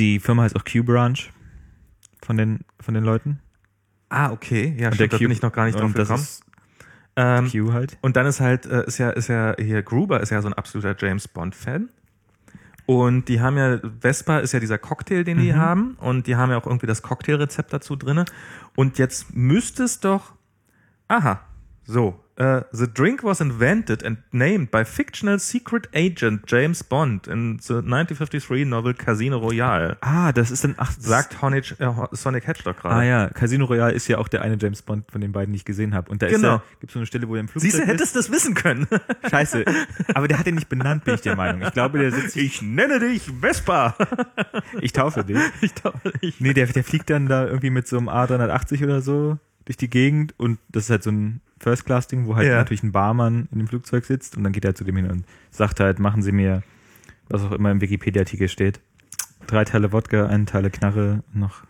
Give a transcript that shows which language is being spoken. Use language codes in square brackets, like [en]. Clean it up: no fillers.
[de] Die Firma heißt auch Q Branch von den Leuten. Ah, okay. Ja, stimmt, da bin ich noch gar nicht drauf gekommen. Q halt. Und dann ist halt, ist ja hier Gruber ist ja so ein absoluter James Bond-Fan. Und die haben ja, Vespa ist ja dieser Cocktail, den die haben. Und die haben ja auch irgendwie das Cocktailrezept dazu drinne. Und jetzt müsste es doch, [en] the drink was invented and named by fictional secret agent James Bond in the 1953 novel Casino Royale. [de] Ah, das ist dann, sagt Sonic Hedgehog gerade. Ah ja, Casino Royale ist ja auch der eine James Bond von den beiden, die ich gesehen habe. Und da gibt es so eine Stelle, wo er im Flugzeug ist. Siehst du, hättest das wissen können. Scheiße, aber der hat ihn nicht benannt, bin ich der Meinung. Ich glaube, der sitzt hier. Ich nenne dich Vespa. Ich taufe dich. Ich taufe dich. Nee, der fliegt dann da irgendwie mit so einem A380 oder so durch die Gegend und das ist halt so ein First-Class-Ding, wo halt natürlich ein Barmann in dem Flugzeug sitzt und dann geht er halt zu dem hin und sagt halt, machen Sie mir, was auch immer im Wikipedia-Artikel steht, 3 Teile Wodka, 1 Teil Knarre noch.